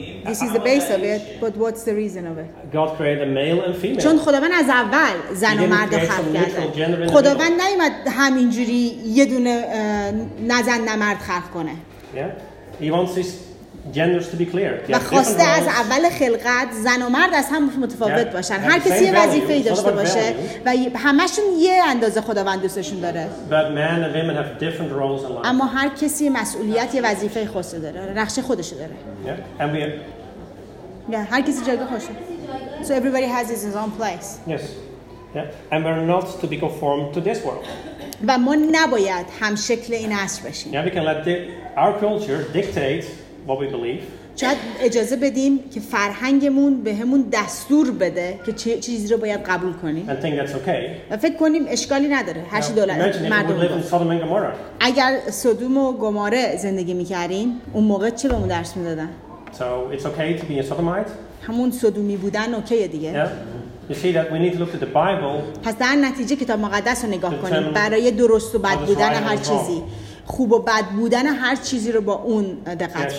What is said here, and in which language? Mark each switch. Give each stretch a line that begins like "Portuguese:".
English: This is the base of it, but what's the reason of it? God created a male and female.
Persian: چون خداوند از اول زن و مرد خلق کرده. خداوند نیومد همینجوری یه دونه نه زن نه مرد خلق کنه.
English: Yeah. He wants his genders to be clear.
Persian: و خواسته از اول خلقت زن و مرد از هم متفاوت باشن. هر کسی یه وظیفه‌ای داشته باشه و همشون یه اندازه خداوند دوستشون داره.
English: But men and women have different roles in life.
Persian: اما هر کسی مسئولیت یه وظیفه خاص داره. نقش خودش داره.
English: Yeah. And we have
Persian: هر کسی جایگاه خودش.
English: So everybody has his own place. Yes. Yeah. And we're not to be conformed to this world.
Persian: و ما نباید هم شکل این عصر بشیم.
English: Yeah, we can let our culture dictate what we believe.
Persian: چرا اجازه بدیم که فرهنگمون بهمون دستور بده که چه چیزی رو باید قبول کنیم؟
English: I think that's okay.
Persian: و فکر کنیم اشکالی نداره. هر چی دولت مردم. اگر سدوم و گماره زندگی می‌کردیم، اون موقع چه بهمون درس می‌دادن؟
English: So it's okay to be a sodomite.
Persian: همون سدومی بودن اوکیه دیگه.
English: Yeah. You see that we need to look at the Bible.
Persian: پس در نتیجه کتاب مقدس رو نگاه کنیم برای درست و بد بودن هر چیزی. خوب و بد بودن هر چیزی رو با اون دقت